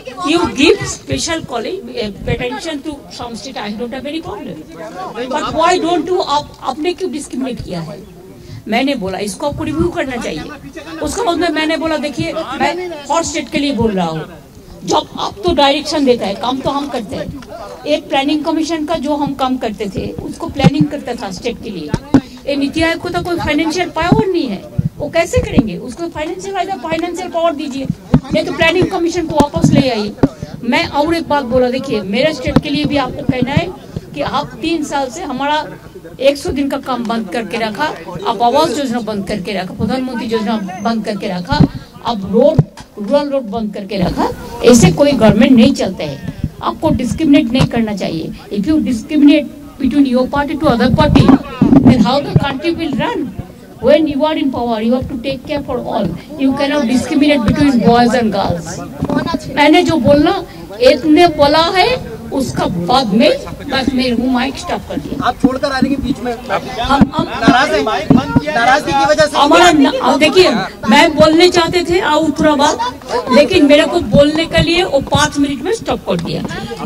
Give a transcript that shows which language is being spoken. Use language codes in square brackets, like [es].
[en] You give special college attention to some state, I don't have any problem. But why don't you [hi] आपने क्यों [en] discriminate [hi] किया है? मैंने बोला इसको आपको review करना चाहिए। उसका बाद में मैंने बोला देखिए मैं हर स्टेट के लिए बोल रहा हूँ। जब आप तो डायरेक्शन देता है, काम तो हम करते हैं। एक प्लानिंग कमीशन का जो हम काम करते थे उसको प्लानिंग करता था स्टेट के लिए। ये नीति आयोग को तो कोई फाइनेंशियल पावर नहीं है, वो कैसे करेंगे? उसको फाइनेंशियल पावर दीजिए, नहीं तो प्लानिंग कमीशन को वापस ले आइए। मैं और एक बात बोला, देखिए मेरे स्टेट के लिए भी आपको कहना है कि आप 3 साल से हमारा 100 दिन का काम बंद करके रखा, आप आवास योजना बंद करके रखा, प्रधानमंत्री योजना बंद करके रखा, आप रोड रूरल रोड बंद करके रखा, ऐसे कोई गवर्नमेंट नहीं चलता है। आपको डिस्क्रिमिनेट नहीं करना चाहिए। [en] If you discriminate between your party to other party, then how the country will run? When you are in power, you have to take care for all. You cannot discriminate between boys and girls. [hi] मैंने जो बोलना इतने बोला है उसका बाद में बस मेरे को माइक स्टॉप कर दिया। आप छोड़कर आ रहे हैं बीच में, हम नाराज हैं, माइक बंद किया नाराजगी की वजह से हमारा। देखिए मैं बोलने चाहते थे और पूरा बात, लेकिन मेरे को बोलने के लिए वो 5 मिनट में स्टॉप कर दिया।